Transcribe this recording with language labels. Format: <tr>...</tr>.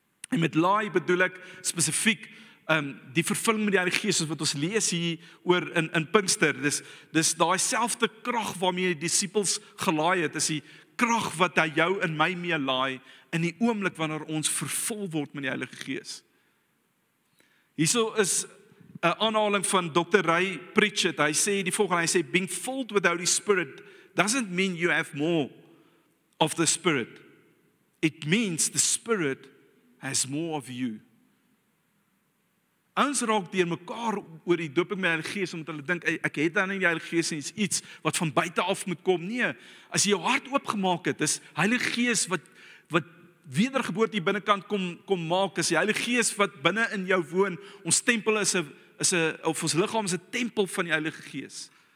<af>En met laai bedoel ek spesifiek, die vervulling met die Heilige Gees, wat ons lees hier oor in Pinkster, dis daai selfde krag waarmee die disippels gelaai het, is die krag wat hy jou en my mee laai, in die oomblik wanneer ons vervul word met die Heilige Gees. Hierso is 'n aanhaling van Dr.</af> <en>Ray Pritchett,</en> <af>hy sê die volgende, hy sê,</af> <en>being filled with the Holy Spirit doesn't mean you have more of the Spirit. It means the Spirit has more of you.</en> <af>Ons raak deur mekaar oor die doping met die Heilige Gees, omdat hulle dink, ek het dan nie die Heilige Gees, en is iets wat van buite af moet kom. Nee, as jy jou hart oopgemaak het, is Heilige Gees wat wedergeboorte hier binnenkant kom maak, is die Heilige Gees wat binnen in jou woon, ons tempel of ons lichaam is 'n tempel van die Heilige Gees.</af>